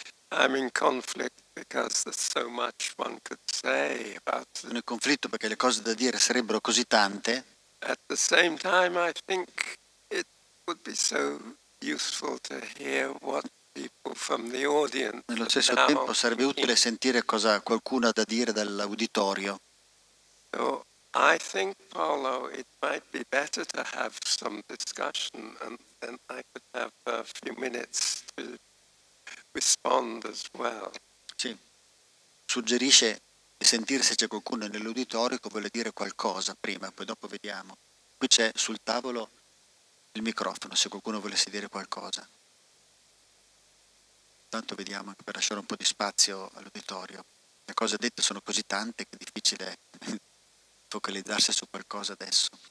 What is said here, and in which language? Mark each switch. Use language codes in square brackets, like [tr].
[en] I'm in conflict because there's so much one could say about it. [it] Sono in conflitto perché le cose da dire sarebbero così tante. [en] At the same time I think it would be so useful to hear what from the audience. [it] Nello stesso tempo sarebbe utile sentire cosa qualcuno ha da dire dall'auditorio. [en] So, I think, Paolo, it might be better to have some discussion and then I could have a few minutes to respond as well. [it] Sì. Suggerisce di sentire se c'è qualcuno nell'auditorio che vuole dire qualcosa prima, poi dopo vediamo. Qui c'è sul tavolo il microfono, se qualcuno volesse dire qualcosa. Tanto vediamo, per lasciare un po' di spazio all'uditorio. Le cose dette sono così tante che è difficile focalizzarsi su qualcosa adesso.